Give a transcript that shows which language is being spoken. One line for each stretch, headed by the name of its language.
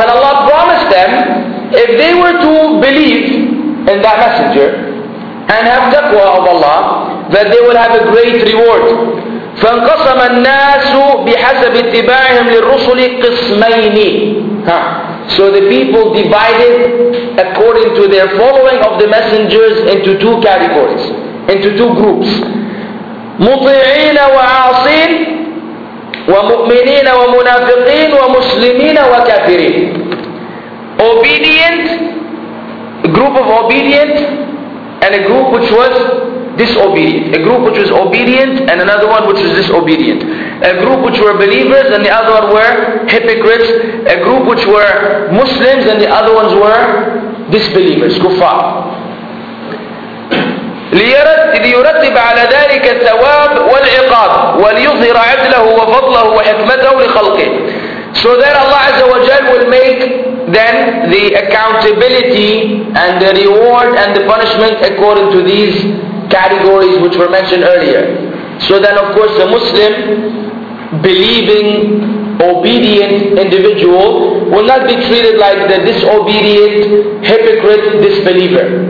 English: And Allah promised them, if they were to believe in that messenger and have taqwa of Allah, that they will have a great reward.
Arabic: فانقسم الناس بحسب اتباعهم للرسل قسمين.
English: So the people divided according to their following of the messengers into two categories, into two groups.
Arabic: مطيعين وعاصين ومؤمنين ومنافقين ومسلمين وكافرين.
English: Obedient, a group of obedient, and a group which was disobedient. A group which was obedient and another one which was disobedient. A group which were believers and the other one were hypocrites. A group which were Muslims and the other ones were disbelievers, kuffar.
Arabic: ليرتب على ذلك الثواب والعقاب وليظهر عدله وفضله وحكمته لخلقه.
English: So that Allah Azza wa Jal will make then the accountability and the reward and the punishment according to these categories which were mentioned earlier. So then of course a Muslim, believing, obedient individual will not be treated like the disobedient, hypocrite, disbeliever.